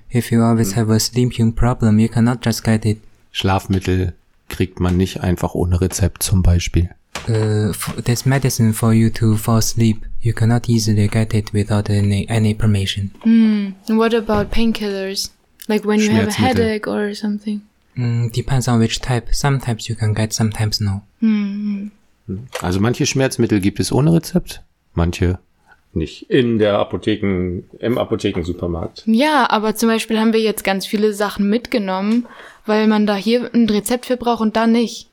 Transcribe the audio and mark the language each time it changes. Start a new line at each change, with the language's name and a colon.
English: If you always have a sleeping problem, you cannot just get it.
German: Schlafmittel kriegt man nicht einfach ohne Rezept zum Beispiel.
English: There's medicine for you to fall asleep. You cannot easily get it without any permission. Mm. What about painkillers? Like when you have a headache or something? Depends on which type. Sometimes you can get, sometimes no. Mm-hmm.
German: Also manche Schmerzmittel gibt es ohne Rezept, manche nicht. In der Apotheken, im Apothekensupermarkt. Ja, aber zum Beispiel haben wir jetzt ganz viele Sachen mitgenommen, weil man da hier ein Rezept für braucht und da nicht.